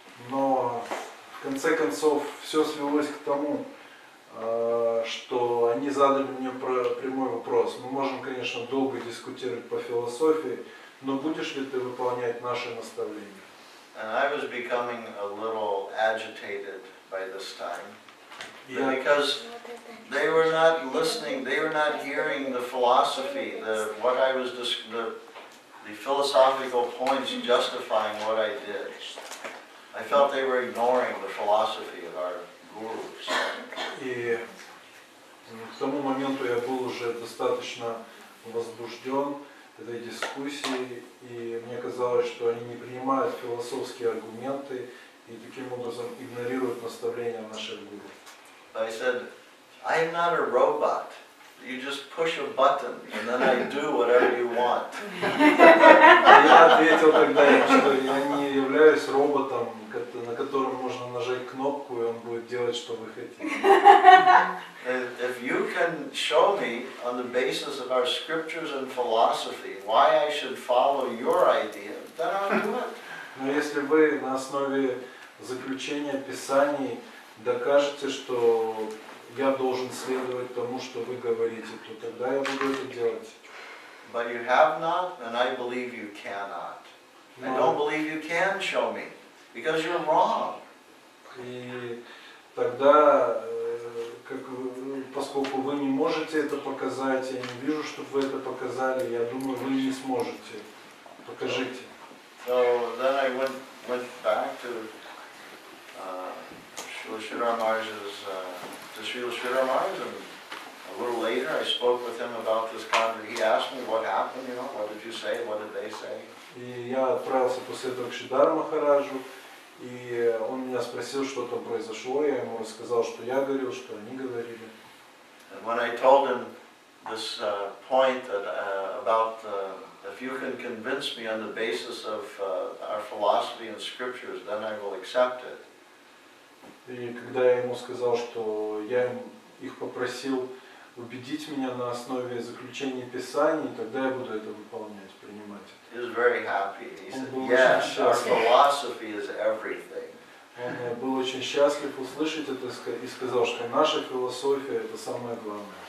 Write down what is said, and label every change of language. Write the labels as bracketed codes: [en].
[ru] Но в конце концов все свелось к тому, что они задали мне прямой вопрос. Мы можем, конечно, долго дискутировать по философии, но будешь ли ты выполнять наши наставления? [en] And I was becoming a little agitated by this time. Yeah. Because they were not listening, they were not hearing the philosophy, the philosophical points justifying what I did. I felt they were ignoring the philosophy of our gurus. [ru] И к тому моменту я был уже достаточно возбужден этой дискуссией, и мне казалось, что они не принимают философские аргументы и таким образом игнорируют наставления наших гуру. [en] I said, I am not a robot. You just push a button and then I do whatever you want. [ru] Я ответил тогда, что я не являюсь роботом, на котором можно нажать кнопку и он будет делать, что вы хотите. [en] If you can show me on the basis of our scriptures and philosophy why I should follow your idea, then I'll do it. [ru] Но если вы на основе заключения Писаний докажете, что я должен следовать тому, что вы говорите, то тогда я буду это делать. [en] But you have not, and I believe you cannot. I don't believe you can show me, because you're wrong. [ru] И тогда, как, поскольку вы не можете это показать, я не вижу, чтобы вы это показали, я думаю, вы не сможете. Покажите. [en] So then I went back to Srila Giri Maharaja's and a little later I spoke with him about this conversation. He asked me what happened, you know, what did you say, what did they say? [ru] И я отправился после этого к Шридхар Махараджу, и он меня спросил, что там произошло, я ему рассказал, что я говорил, что они говорили. [en] And when I told him this point that about if you can convince me on the basis of our philosophy and scriptures, then I will accept it. [ru] И когда я ему сказал, что я их попросил убедить меня на основе заключения Писаний, тогда я буду это выполнять, принимать. [en] He was very happy. He said, yes, our philosophy is everything. [ru] Он был очень счастлив услышать это и сказал, что наша философия это самое главное.